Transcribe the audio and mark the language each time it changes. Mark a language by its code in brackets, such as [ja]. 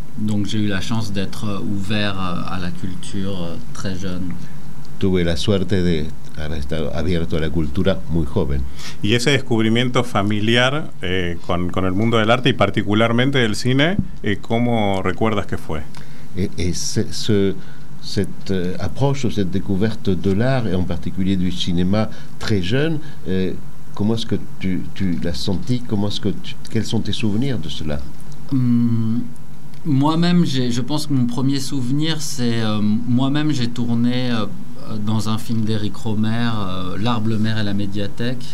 [fr] Donc j'ai eu la chance d'être ouvert à la culture très jeune. [es] Tuve la suerte de haber estado abierto a la cultura muy joven. Y ese descubrimiento familiar con el mundo del arte y particularmente del cine, ¿cómo recuerdas que fue? [fr] Cette approche ou cette découverte de l'art et en particulier du cinéma très jeune, [es] ¿cómo es que tú [fr] l'as senti? ¿Quels sont tes souvenirs de cela? Moi-même, je pense que mon premier souvenir, c'est moi-même, j'ai tourné dans un film d'Éric Rohmer, L'Arbre, le maire et la médiathèque.